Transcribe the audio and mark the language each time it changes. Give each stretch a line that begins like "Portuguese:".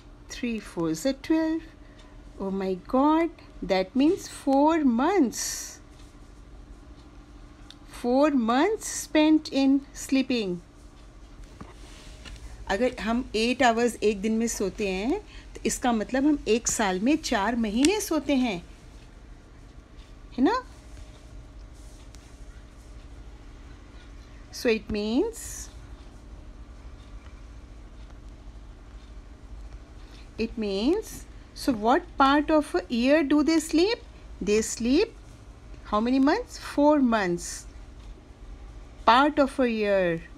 English: 3 ones are 3, 3 fours are 12. Oh my God, that means 4 months. 4 months spent in sleeping.
Hindi: अगर हम 8 hours एक दिन में सोते हैं, तो इसका मतलब हम एक साल में 4 महीने सोते हैं, है ना?
English: So it means so what part of a year do they sleep? They sleep how many months? 4 months. Part of a year.